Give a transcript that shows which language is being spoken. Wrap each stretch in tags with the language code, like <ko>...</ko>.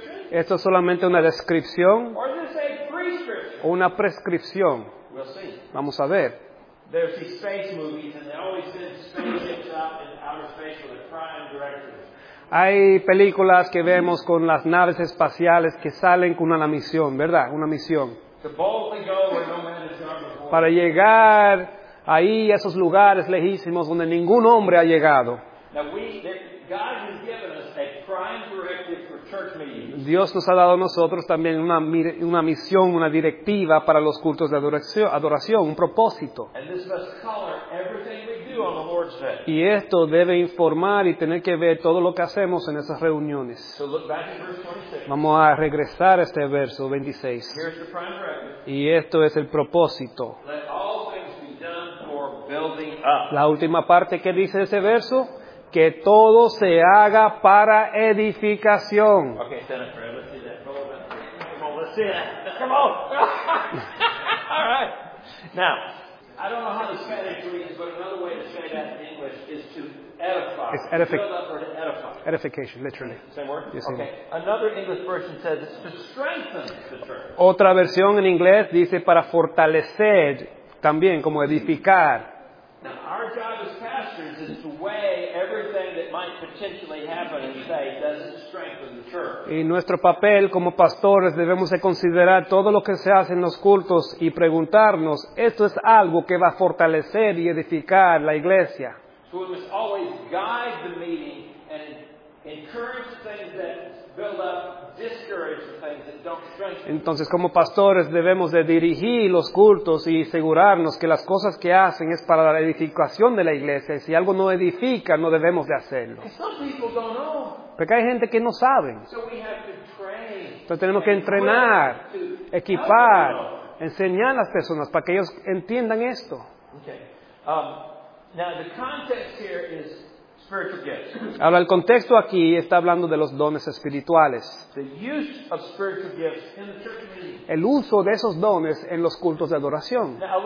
<es>¿Esto es solamente una descripción o una prescripción?</es> <en>We'll see.</en> <es>Vamos a ver.</es> <en>There's these space movies and they always send spaceships out in outer space with a prime directive.</en> <es>Hay películas que vemos con las naves espaciales que salen con una misión, ¿verdad? Una misión.</es> <en>To boldly go where no man has gone before.</en> <es>Para llegar ahí a esos lugares lejísimos donde ningún hombre ha llegado.</es> <en>God has given us a prime directive for church meetings.</en> <es>Dios nos ha dado a nosotros también una misión, una directiva para los cultos de adoración, un propósito.</es> <en>And this must color everything we do on the Lord's Day.</en> <es>Y esto debe informar y tener que ver todo lo que hacemos en esas reuniones.</es> <en>So look back at verse 26.</en> <es>Vamos a regresar a este verso 26.</es> <en>Here's the prime record.</en> <es>Y esto es el propósito.</es> <en>Let all things be done for building up.</en> <es>La última parte que dice ese verso... Que todo se haga para edificación.</es> <en>Okay, Jennifer, let's see that. Come on, let's see that. Come on. All right. Now, I don't know how to say that in English, but another way to say that in English is to edify. It's edific- build up or to edify. Edification, literally. Same word? Yes, okay. Same. Another English version says it's to strengthen the church.</en> <es>Otra versión en inglés dice para fortalecer, también como edificar.</es> <en>Now, our job as pastors is to weigh everything that might potentially happen and say, does it strengthen the church?</en> <es>Y nuestro papel como pastores debemos de considerar todo lo que se hace en los cultos y preguntarnos, ¿esto es algo que va a fortalecer y edificar la iglesia?</es> <en>So we must always guide the meeting and encourage things that build up, discourage the things that don't strengthen.</en> <es>Entonces, como pastores, debemos de dirigir los cultos y asegurarnos que las cosas que hacen es para la edificación de la iglesia. Y si algo no edifica, no debemos de hacerlo. Porque hay gente que no sabe. Entonces, tenemos que entrenar, equipar, enseñar a las personas para que ellos entiendan esto.</es> <en>Now, the context here is</en> <es>ahora, el contexto aquí está hablando de los dones espirituales.</es> <en>The use of spiritual gifts in the church meeting.</en> <es>El uso de esos dones en los cultos de adoración.</es>